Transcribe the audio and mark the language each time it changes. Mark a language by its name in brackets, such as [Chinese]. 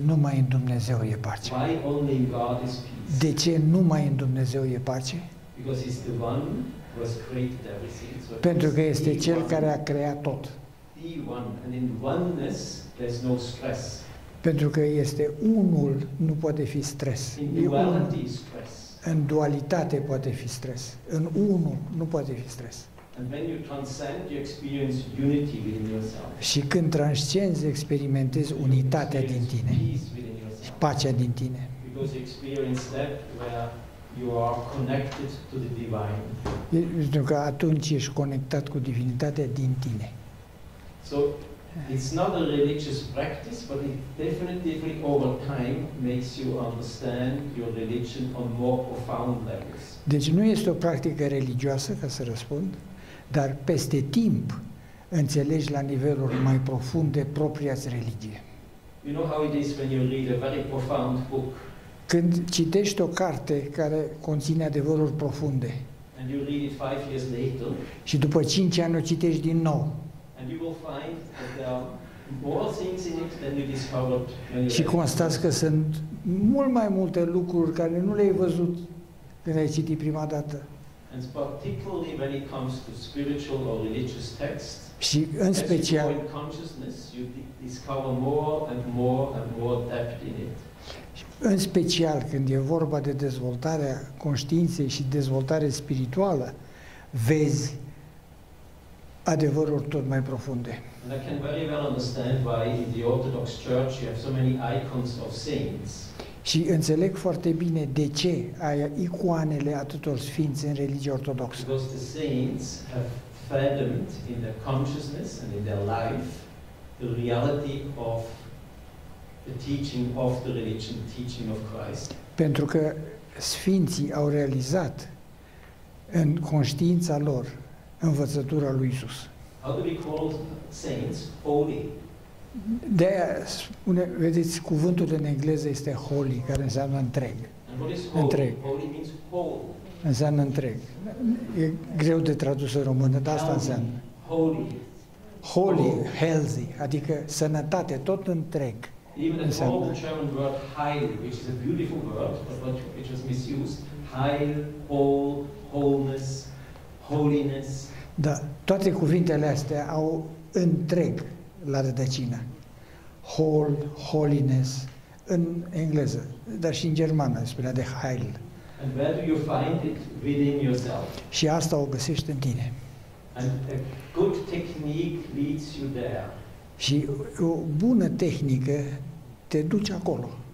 [Romanian] Numai în Dumnezeu e pace. [English] Why only in God is peace? [Romanian] De ce numai în Dumnezeu e pace? [English] Because He's the one who has created everything. So [Romanian] pentru că este Cel care a creat tot. [English] The one, and in oneness there's no stress. [Romanian] Pentru că este unul, nu poate fi stres. Un, în dualitate poate fi stres. În unul, nu poate fi stres. [English] And when you transcend, you experience unity within yourself. [Romanian] Și când transcenzi, experimentezi unitatea din tine. Și pacea din tine. [English] Because you experience that where you are connected to the divine. [Romanian] Pentru că atunci ești conectat cu divinitatea din tine. [English] So it's not a religious practice, but it definitely over time makes you understand your religion on more profound levels. [Romanian] Deci nu este o practică religioasă, ca să răspund, dar peste timp înțelegi la niveluri mai profunde propria-ți religie. [English] You know how it is when you read a very profound book. [Romanian] Când citești o carte care conține adevăruri profunde. [English] And you read it 5 years later. [Romanian] Și după 5 ani o citești din nou. [English] And you will find that there are more things in it than you discovered when you read it. [Romanian] Și constați că sunt mult mai multe lucruri care nu le-ai văzut când ai citit prima dată. [English] And particularly when it comes to spiritual or religious texts. [Romanian] Și în special, [English] as you go in consciousness, you discover more and more and more depth in it. [Romanian] În special când e vorba de dezvoltarea conștiinței și dezvoltare spirituală, vezi adevăruri tot mai profunde. [English] And I can very well understand why in the Orthodox Church you have so many icons of saints. [Romanian] Și înțeleg foarte bine de ce ai icoanele atâtor sfinți în religia ortodoxă. [English] Because the saints have fathomed in their consciousness and in their life the reality of the teaching of the religion, teaching of Christ. [Romanian] Pentru că sfinții au realizat în conștiința lor învățătura lui Iisus. [English] How do we call saints holy? [Romanian] De-aia, spune, vedeți, cuvântul în engleză este holy, care înseamnă întreg. [English] And what is holy? [Romanian] Întreg. [English] Holy means whole. [Romanian] Înseamnă întreg. E greu de tradus în română, dar asta înseamnă. [English] Holy. Holy, healthy, [Romanian] adică sănătate, tot întreg. [English] Even the old German word heil, which is a beautiful word, but which was misused. Heil, whole, wholeness, holiness. [Romanian] Da, toate cuvintele astea au întreg la rădăcină. [English] Whole, holiness, [Romanian] în engleză, dar și în germană, spunea de heil. [English] And where do you find it within yourself? [Romanian] Și asta o găsești în tine. [English] And a good technique leads you there. [Romanian] Și o bună tehnică te duce acolo.